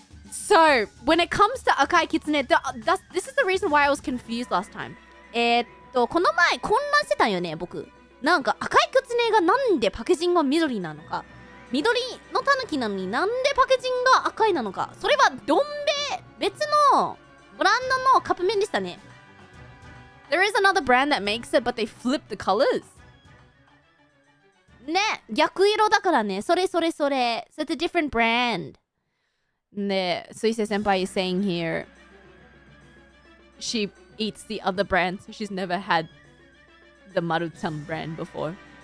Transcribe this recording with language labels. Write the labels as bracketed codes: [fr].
[en] So, when it comes to Akai Kitsune, this is the reason why I was confused last time. [ja] この前混乱してたよね、僕。なんか赤いキツネがなんでパッケージングが緑なのか。緑のタヌキなのになんでパッケージングが赤いなのか。それはどんべ別のブランドのカップ麺でしたね。 [en] There is another brand that makes it, but they flip the colors. [ja] ね、逆色だからね。それそれそれ。 [en] So it's a different brand. ね、水星先輩 is saying here, she eats the other brand, so she's never had the Maru-chan brand before.